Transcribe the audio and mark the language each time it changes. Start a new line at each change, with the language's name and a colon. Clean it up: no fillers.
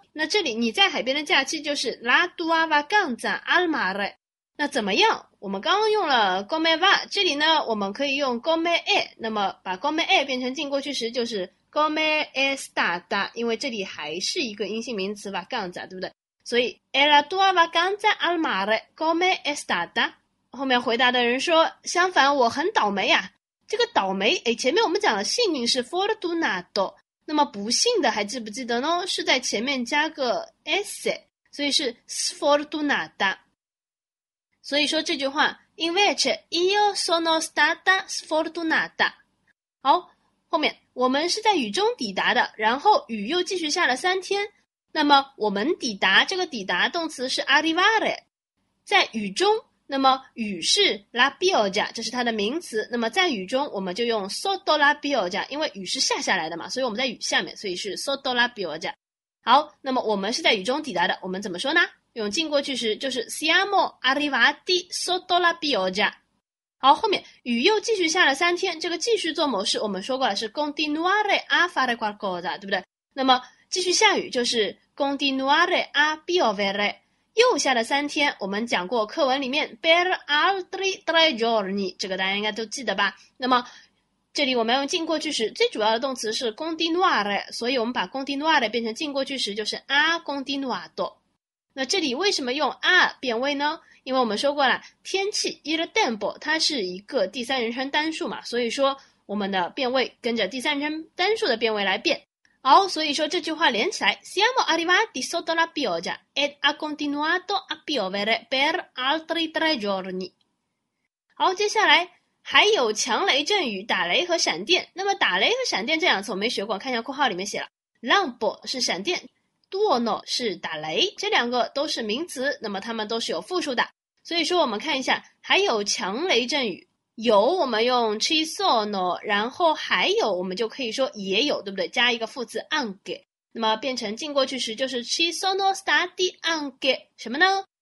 Chinese: 那这里你在海边的假期就是
Italian: la tua vacanza al mare。
Chinese: 那怎么样？我们刚刚用了 come va， 这里呢我们可以用 come è， 那么把 come è 变成近过去时就是
Italian: come è stata，
Chinese: 因为这里还是一个阴性名词 vacanza， 对不对？所以
Italian: è la tua vacanza al mare come è stata。
Chinese: 后面回答的人说，相反我很倒霉啊。这个倒霉，诶，前面我们讲了幸运是 fortunato， 那么不幸的还记不记得呢？是在前面加个 s， 所以是 sfortunata。所以说这句话
Italian: invece io sono stata sfortunata。
Chinese: 好，后面我们是在雨中抵达的，然后雨又继续下了三天。那么我们抵达，这个抵达动词是 arrivare， 在雨中。那么雨是 la pioggia， 这是它的名词。那么在雨中我们就用 sotto la pioggia， 因为雨是下下来的嘛，所以我们在雨下面，所以是 sotto la pioggia。好，那么我们是在雨中抵达的，我们怎么说呢？用近过去时，就是
Italian: siamo arrivati sotto la pioggia。
Chinese: 好，后面雨又继续下了三天，这个继续做某事我们说过了，是
Italian: continuare a fare qualcosa，
Chinese: 对不对？那么继续下雨就是
Italian: continuare a piovere，
Chinese: 又下了三天。我们讲过课文里面
Italian: per altri tre giorni，
Chinese: 这个大家应该都记得吧。那么这里我们要用近过去时，最主要的动词是 continuare， 所以我们把 continuare 变成近过去时，就是
Italian: a continuato。
Chinese: 那这里为什么用 a 变位呢？因为我们说过了，天气 il tempo 它是一个第三人称单数嘛，所以说我们的变位跟着第三人称单数的变位来变。好，所以说这句话连起来
Italian: siamo arrivati sotto la pioggia ed ha continuato a piovere per altri tre giorni。
Chinese: 好，接下来还有强雷阵雨、打雷和闪电。那么打雷和闪电这两次我没学过，看一下括号里面写了 lampo 是闪电，Duono 是打雷，这两个都是名词，那么它们都是有复数的。所以说我们看一下，还有强雷阵雨，有我们用 ci sono， 然后还有我们就可以说也有，对不对？加一个副词 anche， 那么变成近过去时就是
Italian: ci sono stati anche
Chinese: 什么呢？